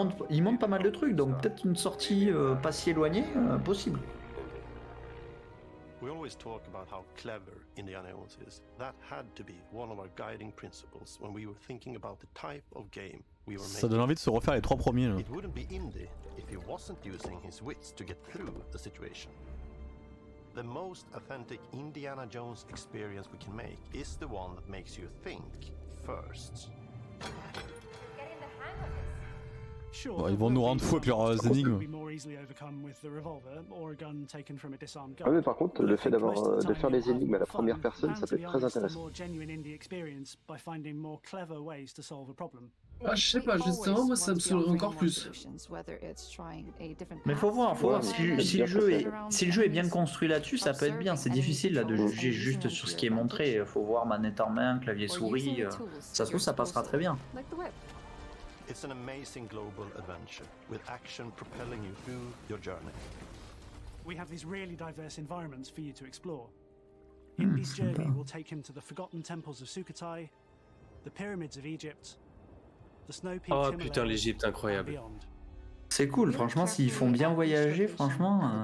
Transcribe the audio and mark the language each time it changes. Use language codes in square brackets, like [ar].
[fr] Ils montent pas mal de trucs, donc peut-être une sortie pas si éloignée possible. [en] We always talk about how clever Indiana Jones is. That had to be one of our guiding principles when we were thinking about the type of game we were making. [fr] Ça donne envie de se refaire les trois premiers. [en] It wouldn't be Indy if he wasn't using his wits to get through the situation. The most authentic Indiana Jones experience we can make is the one that makes you think first. [fr] Bon, ils vont nous rendre fous avec leurs énigmes. Ouais, mais par contre, le fait d'avoir de faire les énigmes à la première personne, ça peut être très intéressant. Ah, je sais pas, justement, moi ça me saoulerait encore plus. Mais faut voir si le jeu est bien construit là-dessus, ça peut être bien. C'est difficile là de juger juste sur ce qui est montré. Faut voir manette en main, clavier souris. Ça se trouve, ça passera très bien. [en] It's an amazing global adventure with action propelling you through your journey. We have these really diverse environments for you to explore. Indy's journey will take him to the forgotten temples of Sukhothai, the pyramids of Egypt, the snow peaks. [fr] Oh putain, l'Egypte incroyable. C'est cool, franchement, s'ils font bien voyager, franchement.